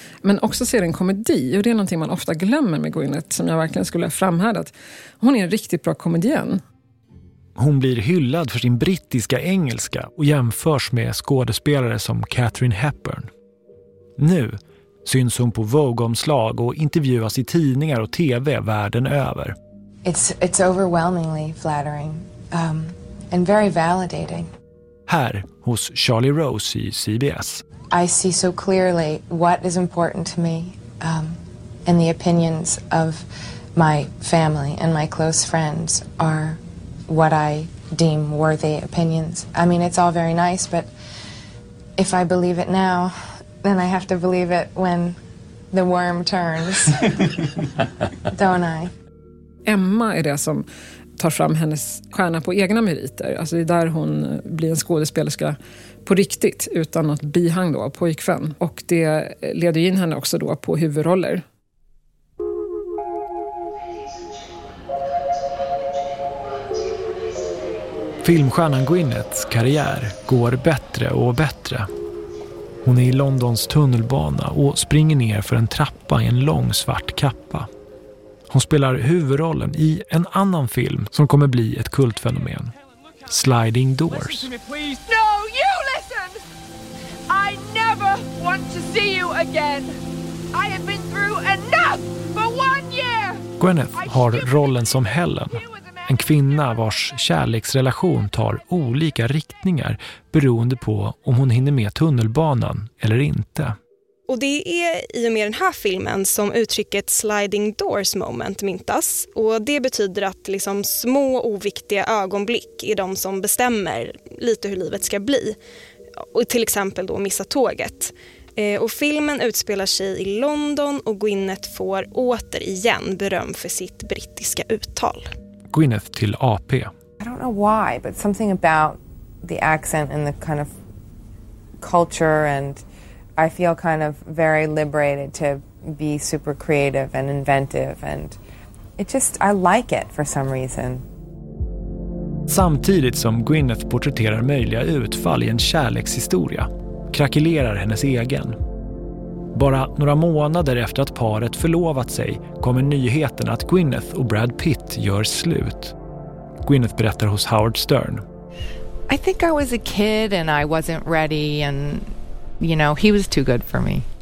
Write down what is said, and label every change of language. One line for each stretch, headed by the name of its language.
Swedish: Men också ser en komedi, och det är någonting man ofta glömmer med Gwyneth, som jag verkligen skulle framhärda, att hon är en riktigt bra komedian. Hon blir hyllad för sin brittiska engelska och jämförs med skådespelare som Catherine Hepburn. Nu syns hon på Vogue-omslag och intervjuas i tidningar och tv världen över.
English: It's overwhelmingly flattering and very validating.
Swedish: Här hos Charlie Rose i CBS.
English: I see so clearly what is important to me and the opinions of my family and my close friends are what I deem worthy opinions. I mean, it's all very nice, but if I believe it now, then I have to believe it when the worm turns, don't I?
Swedish: Emma är det som tar fram hennes stjärna på egna meriter. Alltså det är där hon blir en skådespelerska på riktigt, utan något bihang då, pojkvän. Och det leder in henne också då på huvudroller. Filmstjärnan Gwyneths karriär går bättre och bättre. Hon är i Londons tunnelbana och springer ner för en trappa i en lång svart kappa. Hon spelar huvudrollen i en annan film som kommer bli ett kultfenomen. Sliding Doors.
English: No, you listen! I never want to see you again. I have been through enough for one year!
Swedish: Gwyneth har rollen som Helen, en kvinna vars kärleksrelation tar olika riktningar beroende på om hon hinner med tunnelbanan eller inte. Och det är i och med den här filmen som uttrycket sliding doors moment myntas. Och det betyder att liksom små oviktiga ögonblick är de som bestämmer lite hur livet ska bli. Och till exempel då missa tåget. Och filmen utspelar sig i London och Gwyneth får återigen beröm för sitt brittiska uttal. Gwyneth till AP.
English: I don't know why, but something about the accent and the kind of culture, and I feel kind of very liberated to be super creative and inventive, and it just, I like it for some reason.
Swedish: Samtidigt som Gwyneth porträtterar möjliga utfall i en kärlekshistoria, krackelerar hennes egen. Bara några månader efter att paret förlovat sig kommer nyheten att Gwyneth och Brad Pitt gör slut. Gwyneth berättar hos Howard Stern.
English: I think I was a kid and I wasn't ready and you know, he was too good for me.